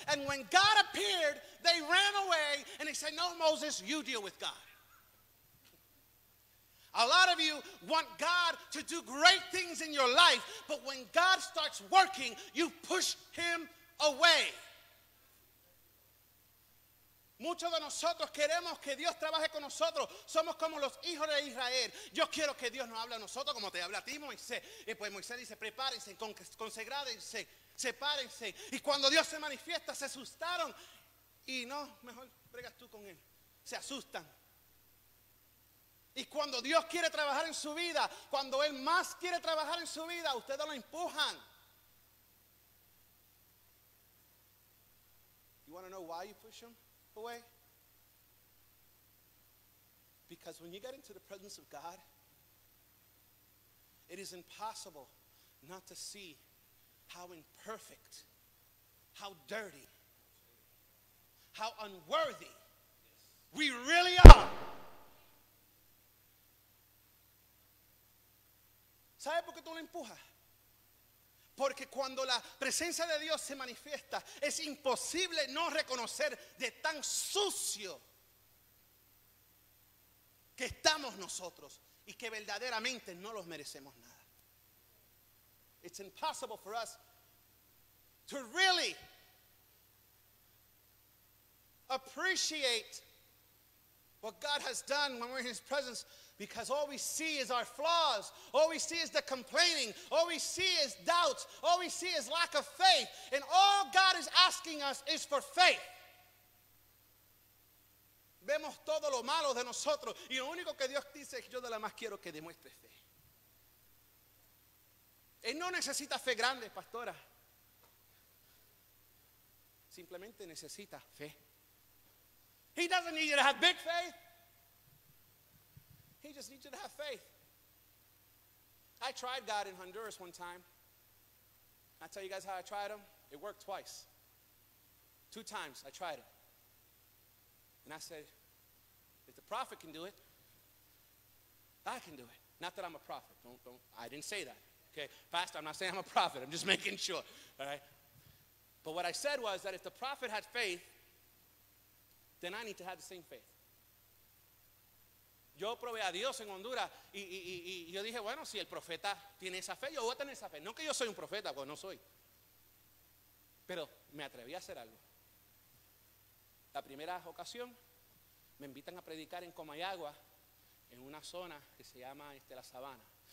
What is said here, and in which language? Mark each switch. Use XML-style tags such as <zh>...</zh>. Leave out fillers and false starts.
<en>And when God appeared, they ran away. And they said, no, Moses, you deal with God. A lot of you want God to do great things in your life. But when God starts working, you push him away.</en> <es>Muchos de nosotros queremos que Dios trabaje con nosotros. Somos como los hijos de Israel. Yo quiero que Dios nos hable a nosotros como te habla a ti, Moisés. Y pues Moisés dice, prepárense, consagrádense, sepárense. Y cuando Dios se manifiesta, se asustaron. Y no, mejor pregas tú con él. Se asustan. Y cuando Dios quiere trabajar en su vida, cuando Él más quiere trabajar en su vida, ustedes lo empujan.</es> <en>You want to know why you push him away? Because when you get into the presence of God, it is impossible not to see how imperfect, how dirty, how unworthy we really are.</en> <es>¿Sabe por qué tú lo empujas? Porque cuando la presencia de Dios se manifiesta, es imposible no reconocer de tan sucio que estamos nosotros y que verdaderamente no los merecemos nada.</es> <en>It's impossible for us to really appreciate what God has done when we're in his presence. Because all we see is our flaws. All we see is the complaining. All we see is doubts. All we see is lack of faith. And all God is asking us is for faith.</en> <es>Vemos todo lo malo de nosotros. Y lo único que Dios dice es yo de la más quiero que demuestre fe. Él no necesita fe grande, pastora. Simplemente necesita fe.</es> <en>He doesn't need you to have big faith. He just needs you to have faith. I tried God in Honduras one time. I tell you guys how I tried him. It worked twice. Two times I tried it. And I said, if the prophet can do it, I can do it. Not that I'm a prophet. Don't. I didn't say that. Okay, Pastor, I'm not saying I'm a prophet. I'm just making sure. All right. But what I said was that if the prophet had faith, then I need to have the same faith.</en> <es>Yo probé a Dios en Honduras y yo dije, bueno, si el profeta tiene esa fe, yo voy a tener esa fe. No que yo soy un profeta, pues no soy. Pero me atreví a hacer algo. La primera ocasión, me invitan a predicar en Comayagua, en una zona que se llama La Sabana.</es>